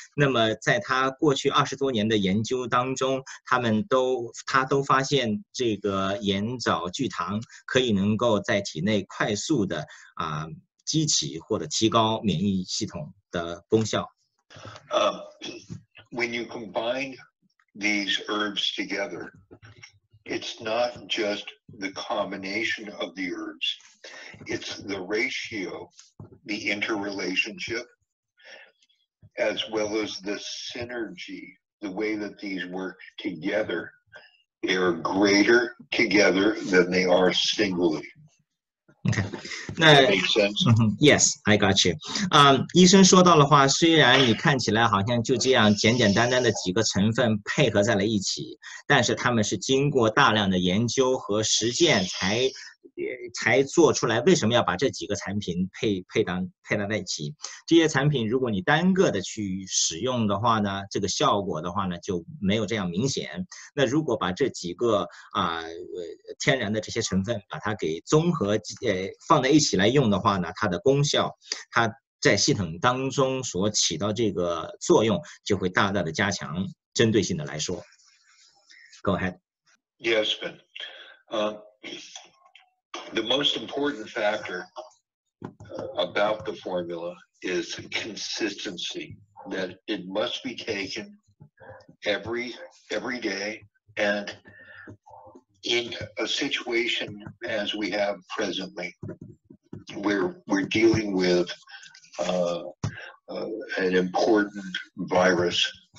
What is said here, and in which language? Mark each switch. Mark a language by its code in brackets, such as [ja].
[zh] 那么，在他过去20多年的研究当中，他都发现这个盐藻聚糖可以能够在体内快速的激起或者提高免疫系统的功效。 [en] When you combine these herbs together, it's not just the combination of the herbs, it's the ratio, the interrelationship, as well as the synergy, the way that these work together, they are greater together than they are singly. Okay. 那 Yes, I got you. [zh] 医生说到的话，虽然你看起来好像就这样简简单单的几个成分配合在了一起，但是他们是经过大量的研究和实践才做出来为什么要把这几个产品配搭在一起。这些产品如果你单个的去使用的话呢，这个效果的话呢就没有这样明显。那如果把这几个天然的这些成分把它给综合放在一起来用的话呢，它的功效，它在系统当中所起到这个作用就会大大的加强，针对性的来说。 [en] Go ahead. Yes, Ben. The most important factor about the formula is consistency, that it must be taken every day, and in a situation as we have presently, where we're dealing with an important virus,